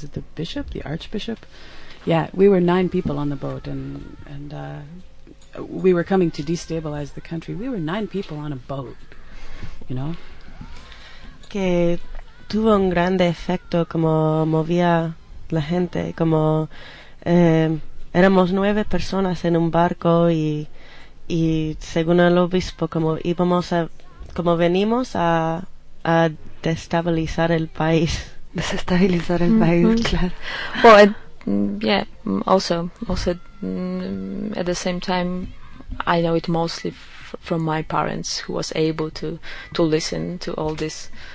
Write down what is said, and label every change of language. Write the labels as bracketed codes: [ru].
[en] Was it the bishop, the archbishop? Yeah, we were 9 people on the boat, and we were coming to destabilize the country. We were 9 people on a boat, you know? [es] Que tuvo un gran efecto, como movía la gente, como éramos 9 personas en un barco, y según el obispo, como íbamos a, como venimos a destabilizar el país. Desestabilizar el país, claro. [en] Well, also at the same time, I know it mostly from my parents, who was able to listen to all this